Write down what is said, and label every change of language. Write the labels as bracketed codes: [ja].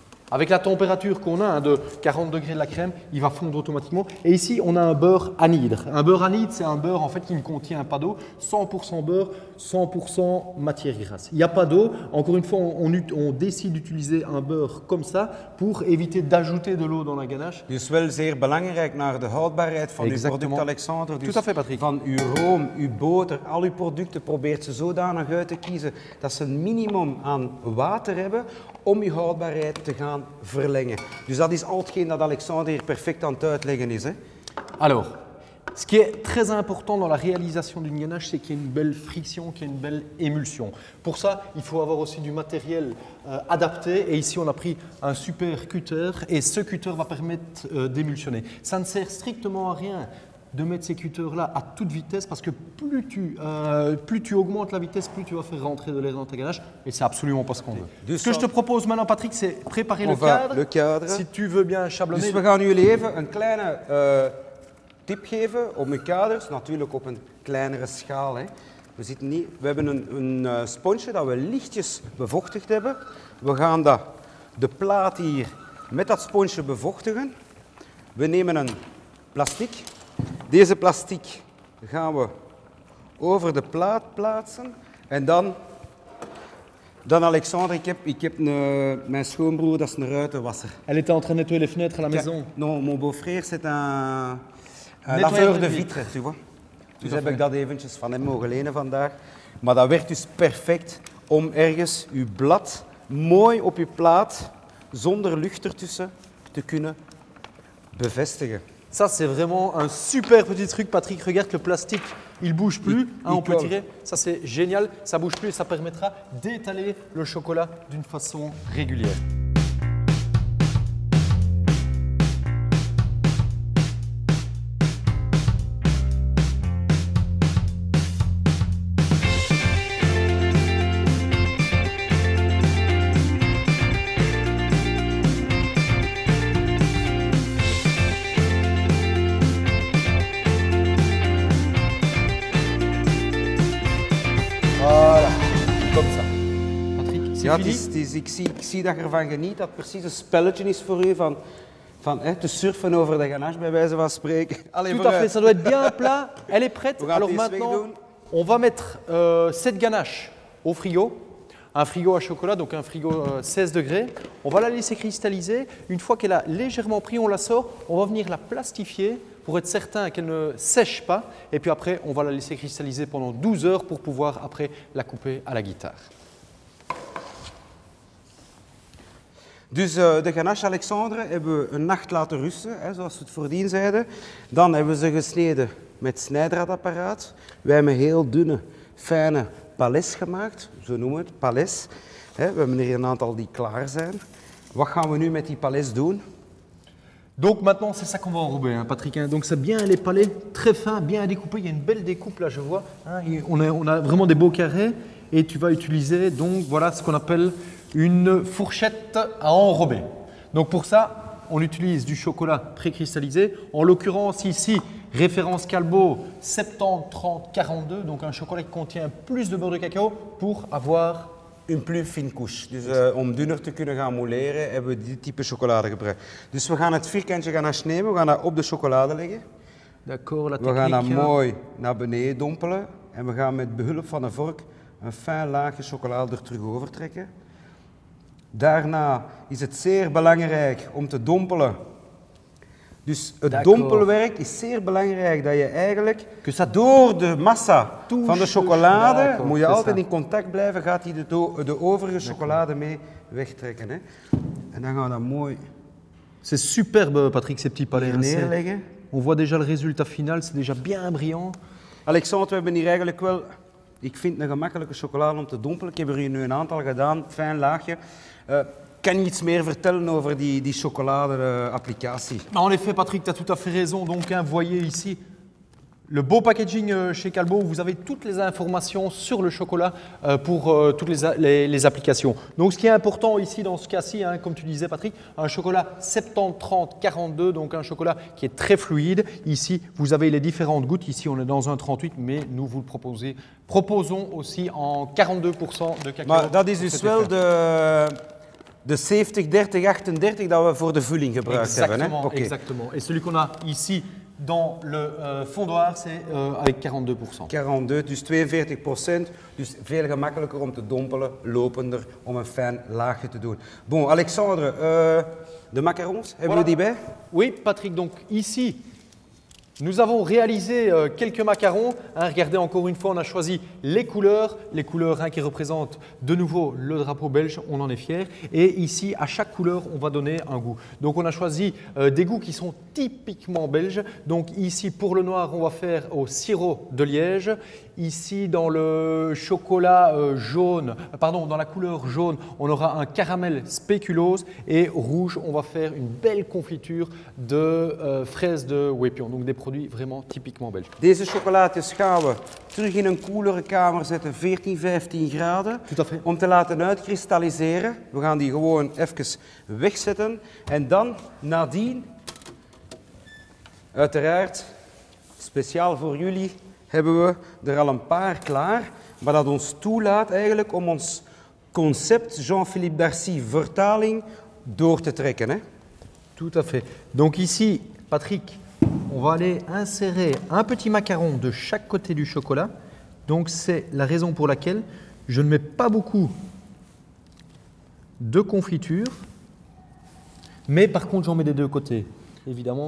[fr] Avec la température qu'on a, hein, de 40 degrés de la crème, il va fondre automatiquement. Et ici, on a un beurre anhydre. Un beurre anhydre, c'est un beurre en fait qui ne contient pas d'eau. 100% beurre, 100% matière grasse. Il n'y a pas d'eau. Encore une fois, on décide d'utiliser un beurre comme ça pour éviter d'ajouter de l'eau dans la ganache. [nl] Dus wel zeer belangrijk naar de houdbaarheid van uw product, Alexander. [fr] Tout à fait, Patrick. [nl] Van uw room, uw boter, al uw producten, probeert ze zodanig uit te kiezen dat ze een minimum aan water hebben om je houdbaarheid te gaan verlengen. Dus dat is al hetgeen dat Alexander hier perfect aan het uitleggen is. Hè? [fr] Alors, ce qui est très important dans la réalisation d'une ganache, c'est qu'il y ait une belle friction, qu'il y ait une belle émulsion. Pour ça, il faut avoir aussi du matériel adapté. Et ici, on a pris un super cutter. Et ce cutter va permettre d'émulsionner. Ça ne sert strictement à rien de mettre ces cutters-là à toute vitesse, parce que plus tu augmentes la vitesse, plus tu vas faire rentrer de l'air dans ta ganache, et c'est absolument pas ce qu'on veut. Ce que je te propose maintenant, Patrick, c'est préparer le cadre. Si tu veux bien chablonner. [nl] Dus we gaan jullie even een kleine tip geven om uw kaders, natuurlijk op een kleinere schaal. Hè. We hebben een sponsje dat we lichtjes bevochtigd hebben. We gaan de plaat hier met dat sponsje bevochtigen. We nemen een plastic. Deze plastic gaan we over de plaat plaatsen. En dan Alexandre, ik heb mijn schoonbroer, dat is een ruitenwasser. [fr] Elle était en train de nettoyer les fenêtres à la maison. Non, mon beau-frère, c'est un laveur de vitres, tu vois. [nl] Dus heb ik dat eventjes van hem mogen lenen vandaag. Maar dat werkt dus perfect om ergens uw blad mooi op uw plaat, zonder lucht ertussen, te kunnen bevestigen. [fr] Ça, c'est vraiment un super petit truc, Patrick. Regarde, le plastique, il bouge plus. On peut tirer. Ça, c'est génial. Ça bouge plus et ça permettra d'étaler le chocolat d'une façon régulière. [nl] Ja, het is, ik zie dat je ervan geniet dat het precies een spelletje is voor u van hè, te surfen over de ganache, bij wijze van spreken. [fr] Allez, tout à fait, ça doit être bien plat. Elle est prête. Alors maintenant, on va mettre cette ganache au frigo. Un frigo à chocolat, donc un frigo 16 degrés. On va la laisser cristalliser. Une fois qu'elle a légèrement pris, on la sort. On va venir la plastifier pour être certain qu'elle ne sèche pas. Et puis après, on va la laisser cristalliser pendant 12 heures pour pouvoir après la couper à la guitare. [nl] Dus de ganache, Alexandre, hebben we een nacht laten rusten, hè, zoals we het voordien zeiden. Dan hebben we ze gesneden met snijdraadapparaat. Wij hebben heel dunne, fijne palets gemaakt. Zo noemen we het, palets. We hebben hier een aantal die klaar zijn. Wat gaan we nu met die palets doen? [fr] Donc maintenant, c'est ça qu'on va enrober, hein, Patrick. Donc c'est bien les palets, très fins, bien découpés. Il y a une belle découpe là, je vois. On a vraiment des beaux carrés. Et tu vas utiliser, donc voilà ce qu'on appelle une fourchette à enrober. Donc pour ça, on utilise du chocolat précristallisé. En l'occurrence ici, référence Calbo 70, 30, 42. Donc un chocolat qui contient plus de beurre de cacao pour avoir une plus fine couche. [nl] Dus om dunner te kunnen gaan mouleren, hebben we dit type chocolade gebruikt. Dus we gaan het vierkantje ganache nemen, we gaan dat op de chocolade leggen. [fr] D'accord, la technique. [nl] We gaan dat mooi naar beneden dompelen en we gaan met behulp van een vork een fijn laagje chocolade er terug over trekken. Daarna is het zeer belangrijk om te dompelen. Dus het [fr] D'accord. [nl] dompelwerk is zeer belangrijk dat je eigenlijk door de massa van de chocolade, moet je altijd in contact blijven, gaat hij de overige chocolade mee wegtrekken. Hè. En dan gaan we dat mooi... [fr] C'est superbe, Patrick, ces petits palais. [nl] Neerleggen. [fr] On voit déjà le résultat final, c'est déjà bien brillant. [nl] Alexandre, we hebben hier eigenlijk wel... Ik vind een gemakkelijke chocolade om te dompelen. Ik heb er hier nu een aantal gedaan, fijn laagje. Kan je iets meer vertellen over die chocolade-applicatie? [fr] En effet, Patrick, tu as tout à fait raison. Donc, vous voyez ici le beau packaging chez Calbo. Vous avez toutes les informations sur le chocolat pour toutes les applications. Donc, ce qui est important ici dans ce cas-ci, hein, comme tu disais, Patrick, un chocolat 70, 30, 42, donc un chocolat qui est très fluide. Ici, vous avez les différentes gouttes. Ici, on est dans un 38, mais nous vous le proposons aussi en 42% de cacao. Mais ça, c'est juste de... [nl] De 70, 30, 38 dat we voor de vulling gebruikt [fr] exactement, [nl] hebben. [fr] Okay. Exactement. En celui qu'on a ici dans le fondoir, c'est avec 42%. [nl] 42, dus 42%. Dus veel gemakkelijker om te dompelen, lopender, om een fijn laagje te doen. Bon, Alexandre, de macarons, hebben we die bij? [fr] Oui, Patrick, donc ici, nous avons réalisé quelques macarons. Hein, regardez, encore une fois, on a choisi les couleurs hein, qui représentent de nouveau le drapeau belge, on en est fiers. Et ici, à chaque couleur, on va donner un goût. Donc, on a choisi des goûts qui sont typiquement belges. Donc, ici, pour le noir, on va faire au sirop de Liège. Ici, dans le chocolat jaune, pardon, dans la couleur jaune, on aura un caramel spéculoos. Et rouge, on va faire une belle confiture de fraises de Wepion. Donc, des produits vraiment typiquement belges. [nl] Deze chocolatjes gaan we terug in een koelere kamer zetten, 14, 15 graden. [fr] Tout à fait. [nl] Om te laten uitkristalliseren. We gaan die gewoon even wegzetten. En dan, nadien, uiteraard, speciaal voor jullie, hebben we er al een paar klaar. Maar dat ons toelaat eigenlijk om ons concept Jean-Philippe Darcy vertaling door te trekken. Hè? [fr] Tout à fait. Donc ici, Patrick, on va aller insérer un petit macaron de chaque côté du chocolat. Donc, c'est la raison pour laquelle je ne mets pas beaucoup de confiture. Mais par contre, j'en mets des deux côtés, évidemment.